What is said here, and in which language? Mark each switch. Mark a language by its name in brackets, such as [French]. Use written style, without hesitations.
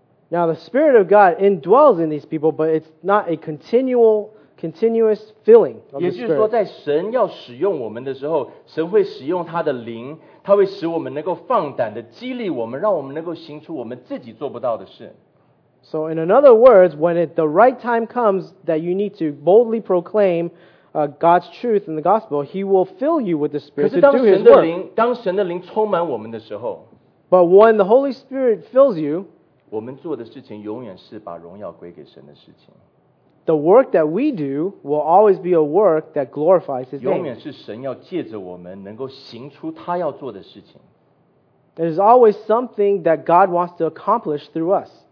[English] Now the Spirit of God indwells in these people, but it's not a continuous filling of the Spirit. [Chinese] 也就是说在神要使用我们的时候, 神会使用他的灵, 祂会使我们能够放胆的激励我们，让我们能够行出我们自己做不到的事。 [English] So in other words, when it, the right time comes that you need to boldly proclaim God's truth in the gospel, He will fill you with the Spirit to do His work. [Chinese] 可是当神的灵，当神的灵充满我们的时候 [English] ，But when the Holy Spirit fills you, [Chinese] 我们做的事情永远是把荣耀归给神的事情。 [English] The work that we do will always be a work that glorifies His name. [Chinese] 永远是神要借着我们能够行出祂要做的事情。 [English] There is always something that God wants to accomplish through us.